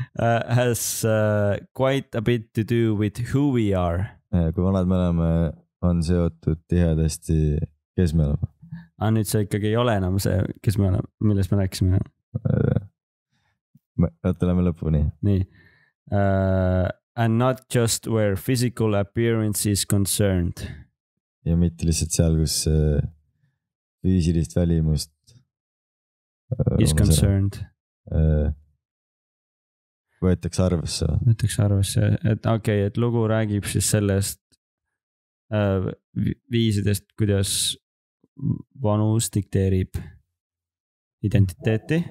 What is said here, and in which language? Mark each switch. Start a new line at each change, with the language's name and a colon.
English: Has quite a bit to do with who we are.
Estonian: Kui vanad me oleme, on seotud tihedasti, kes me oleme. Aga nüüd see ikkagi ei ole enam see, kes me oleme, millest me rääkisime. Ootame lõpuni. Nii.
English: And not just where physical appearance is concerned.
Estonian: Ja mitte lihtsalt seal, kus füüsilist välimust
English: is concerned.
Estonian: Võetakse arvesse. Võetakse arvesse. Et okei, et lugu räägib siis sellest viisidest, kuidas vanus dikteerib identiteeti.